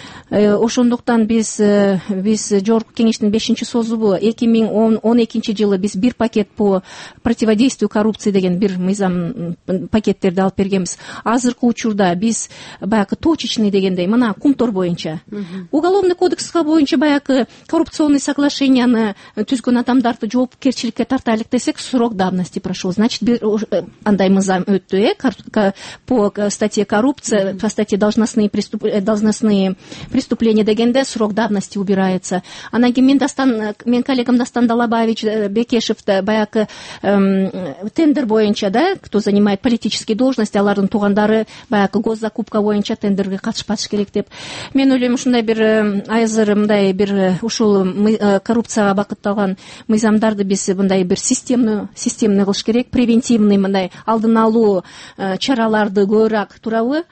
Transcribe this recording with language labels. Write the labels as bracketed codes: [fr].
[ky] Ошондуктан биз жогорку кеңештин 5-чи созубу 2012-ж жылы биз бир пакет по противодействию коррупции деген бир мыйзам пакеттерди алып бергенбиз. Азыркы учурда биз баягы точечный дегендей мына кумтор боюнча уголовный кодекске боюнча баягы коррупционный соглашенияны түзгөн адамдарды жоопкерчиликке тартайлык десек [ru] срок давности прошел. Значит, [ky] бир андай мыйзам өттү, [ru] по статье коррупция, по статье должностные преступления дегенде срок давности убирается. [ky] Анан кийин мен коллегам Дастан Далабаевич Бекешев да баягы тендер боюнча да, [ru] кто занимает политические должности, [ky] алардын туугандары баягы госзакупка боюнча тендерге катышпашы керек деп. Мен ойлойм, ушундай бир айзыр мындай бир ушул коррупцияга бакытталган мыйзамдарды биз мындай бир системный кылыш керек, превентивный мындай алдын алуу чараларды көбүрөөк турабы.